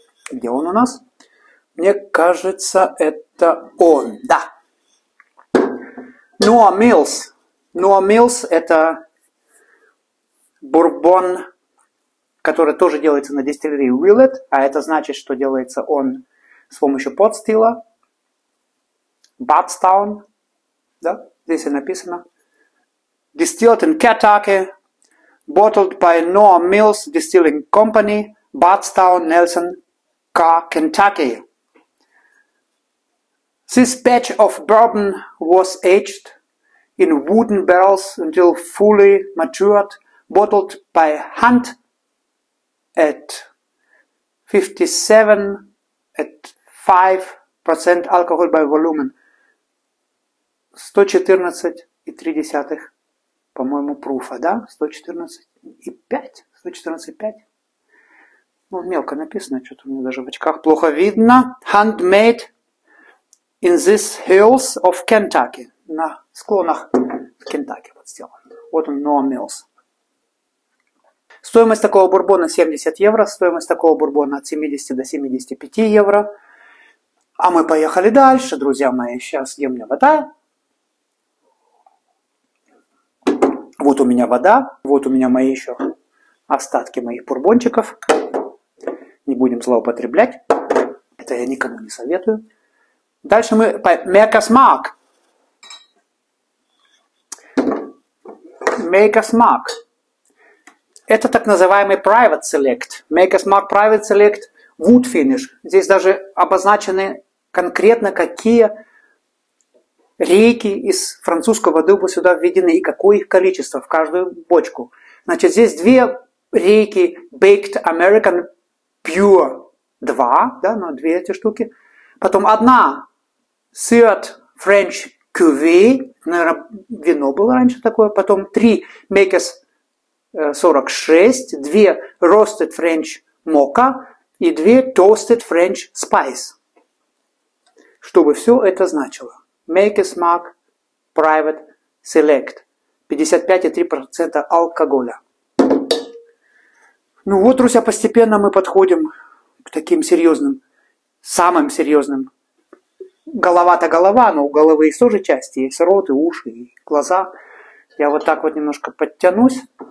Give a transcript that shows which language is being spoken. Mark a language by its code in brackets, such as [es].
[ru] Где он у нас? Мне кажется, это он. Да. Noah Mills. Noah Mills это бурбон, который тоже делается на дистиллерии Willett, а это значит, что делается он с помощью подстила. Бабстаун. Да, здесь и написано. [en] Distilled in Kentucky, bottled by Noah Mills Distilling Company, Bardstown, Nelson, Carr, Kentucky. This batch of bourbon was aged in wooden barrels until fully matured, bottled by hand at 5% alcohol by volume. [ru] 114,3, по-моему, пруфа, да? 114,5. Ну, мелко написано, что-то мне даже в очках плохо видно. [en] Handmade in these hills of Kentucky. [ru] На склонах Кентаки вот сделано. Вот он, Noah Mills. Стоимость такого бурбона 70 евро. Стоимость такого бурбона от 70 до 75 евро. А мы поехали дальше, друзья мои. Сейчас где у меня вода? Вот у меня вода. Вот у меня мои еще остатки моих бурбончиков. Не будем злоупотреблять. Это я никому не советую. Дальше мы... Maker's Mark. Maker's Mark. Это так называемый Private Select. Maker's Mark Private Select Wood Finish. Здесь даже обозначены конкретно, какие рейки из французского дуба сюда введены и какое их количество в каждую бочку. Значит, здесь две рейки Baked American Pure 2, да, ну, две эти штуки. Потом одна Third French Cuvée, наверное, вино было раньше такое. Потом три Maker's 46, две Roasted French Mocha и две Toasted French Spice. Чтобы все это значило. Maker's Mark Private Select. 55,3% алкоголя. Ну вот, друзья, постепенно мы подходим к таким серьезным, самым серьезным. Голова-то голова, но у головы есть тоже части. Есть рот, и уши, и глаза. Я вот так вот немножко подтянусь.